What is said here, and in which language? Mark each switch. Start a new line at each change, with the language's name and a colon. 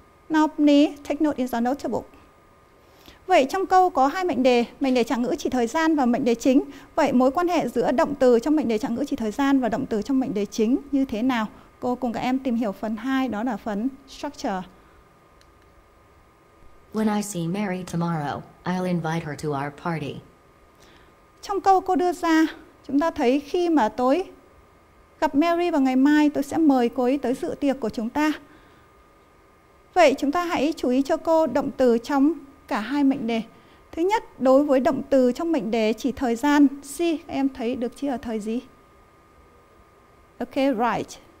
English: Now please take note in the notebook.
Vietnamese: Vậy trong câu có hai mệnh đề trạng ngữ chỉ thời gian và mệnh đề chính. Vậy mối quan hệ giữa động từ trong mệnh đề trạng ngữ chỉ thời gian và động từ trong mệnh đề chính như thế nào? Cô cùng các em tìm hiểu phần 2, đó là phần structure.
English: When I see Mary tomorrow, I'll invite her to our party.
Vietnamese: Trong câu cô đưa ra, chúng ta thấy khi mà tối gặp Mary vào ngày mai, tôi sẽ mời cô ấy tới dự tiệc của chúng ta. Vậy chúng ta hãy chú ý cho cô động từ trong cả hai mệnh đề. Thứ nhất, đối với động từ trong mệnh đề chỉ thời gian, si, em thấy được chia ở thời gì? Okay, right.